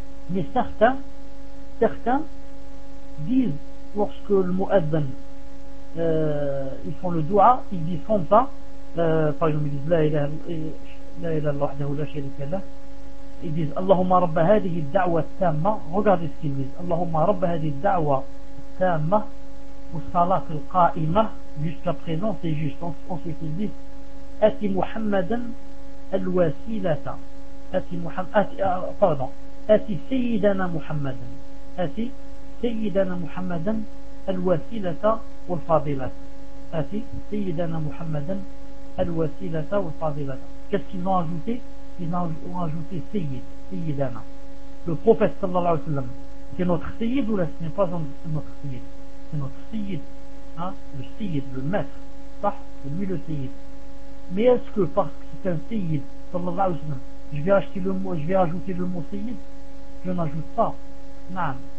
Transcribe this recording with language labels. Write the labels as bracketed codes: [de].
[fr] Mais certains disent lorsque le mu'adhan ils font le dua, ils disent comme ça, par exemple ils disent [ar] la ilaha illallah [fr] ils disent [ar] Allahumma rabba hadhihi ad-da'wa at-tamma, [fr] regardez ce qu'ils disent, [ar] Allahumma rabba hadhihi ad-da'wa at-tamma wa salat al-qa'ima, [fr] jusqu'à présent c'est juste. Ensuite ils disent [ar] ati muhammadan الوسيلة أتي محمد أتي [fr] pardon [ar] أتي سيدنا محمد أتي سيدنا محمد الوسيلة والفضيلة أتي سيدنا محمد الوسيلة والفضيلة. [fr] Qu'est-ce qu'ils ont ajouté? Ils ont ajouté سيدنا, le prophète [ar] صلى الله عليه وسلم, [fr] c'est notre سيد, ou ce n'est pas notre سيد, c'est notre سيد, le سيد, le maître, [ar] صح, [fr] lui le سيد. Mais est-ce que parce que c'est un Seyyid, [ar] sallallahu alayhi wa sallam, [fr] je vais ajouter le mot Seyyid? Je n'ajoute pas. Non.